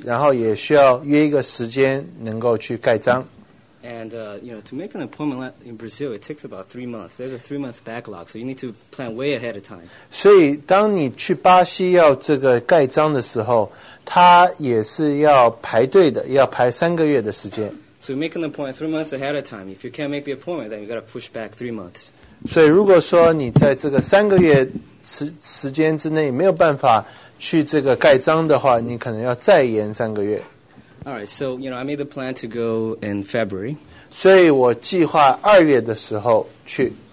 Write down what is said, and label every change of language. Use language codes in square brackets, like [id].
[zh] 所以在10月的时候,当我申请延期的时候,我必须回巴西,然后也需要约一个时间能够去盖章。 [en] And, to make an appointment in Brazil, it takes about 3 months. There's a 3-month backlog, so you need to plan way ahead of time. [zh] 所以当你去巴西要这个盖章的时候,它也是要排队的,要排3个月的时间。 [en] So make an appointment 3 months ahead of time. If you can't make the appointment, then you've got to push back 3 months. [zh] 所以如果说你在这个三个月时间之内没有办法去这个盖章的话,你可能要再延3个月。 [en] All right, so I made the plan to go in February. [zh] 所以我计划2月的时候去.